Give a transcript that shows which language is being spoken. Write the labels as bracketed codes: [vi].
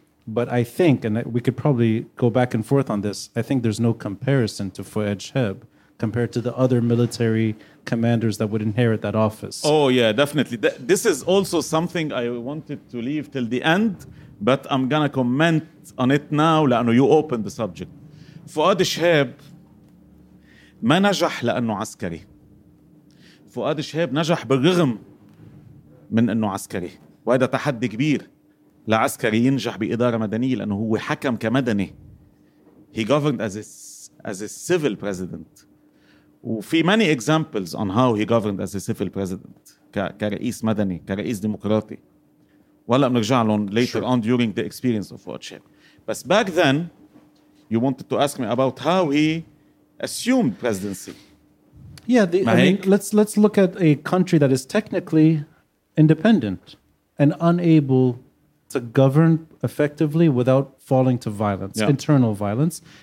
[en] But I think, and we could probably go back and forth on this, I think there's no comparison to Fouad Chehab compared to the other military commanders that would inherit that office. Oh, yeah, definitely. This is also something I wanted to leave till the end, but I'm going to comment on it now, لأنه you opened the subject. [ar] Fouad Chehab ما نجح لأنه عسكري. Fouad Chehab نجح بالرغم من أنه عسكري. وهذا تحدي كبير لعسكري ينجح بإدارة مدنية لأنه هو حكم كمدني. [en] He governed as a civil president. وفي many examples on how he governed as a civil president. [ar] كرئيس مدني, كرئيس ديمقراطي. ولا بنرجع لهم [en] later on during the experience of Fouad Chehab. But back then, you wanted to ask me about how he assumed presidency. Yeah, let's look at a country that is technically independent and unable to govern effectively without falling to violence, internal violence.